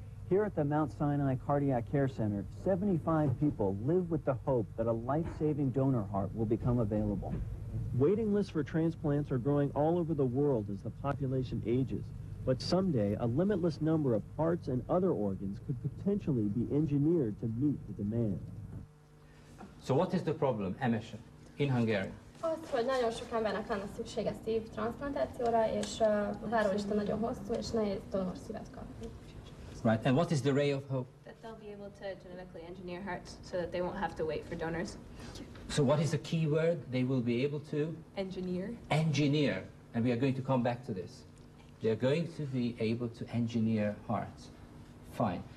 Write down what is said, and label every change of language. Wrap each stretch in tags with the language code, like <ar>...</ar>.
<en>Here at the Mount Sinai Cardiac Care Center, 75 people live with the hope that a life-saving donor heart will become available. Waiting lists for transplants are growing all over the world as the population ages, but someday a limitless number of hearts and other organs could potentially be engineered to meet the demand. So what is the problem, Emesha, in Hungary?</en> <hu>Az, hogy nagyon sok embernek lenne szüksége szív transplantációra, és hálóista nagyon hosszú, és nehéz donor szívet kapni.</hu> <en>Right, and what is the ray of hope? That they'll be able to genetically engineer hearts so that they won't have to wait for donors. So what is the key word they will be able to? Engineer. Engineer. And we are going to come back to this. They're going to be able to engineer hearts. Fine.</en>